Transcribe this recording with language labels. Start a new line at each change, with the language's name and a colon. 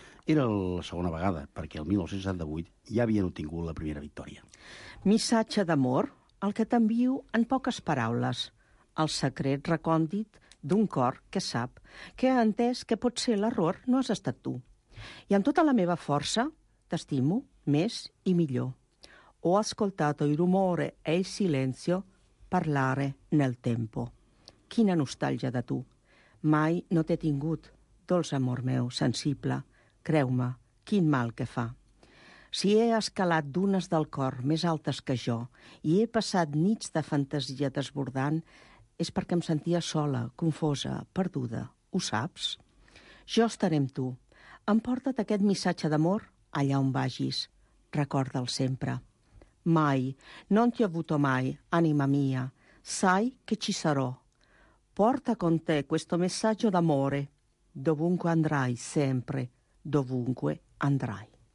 Catalan: Era la segona vegada, perquè el 1978 ja havien obtingut la primera victòria. Missatge d'amor, el que t'envio en poques paraules. El secret recòndit d'un cor que sap que ha entès que potser l'error no has estat tu. I amb tota la meva força t'estimo més i millor.
Italian: Ho ascoltato il rumore e il silenzio parlare nel tempo.
Catalan: Quina nostàlgia de tu. Mai no t'he tingut, dolç amor meu, sensible. Creu-me, quin mal que fa. Si he escalat dunes del cor més altes que jo i he passat nits de fantasia desbordant, és perquè em sentia sola, confosa, perduda. Ho saps? Jo estaré amb tu. Emporta't aquest missatge d'amor allà on vagis. Recorda'l sempre.
Italian: Mai, non ti ho avuto mai, anima mia. Sai che ci sarò. Porta con te questo messaggio d'amore. Dovunque andrai, sempre. Dovunque andrai.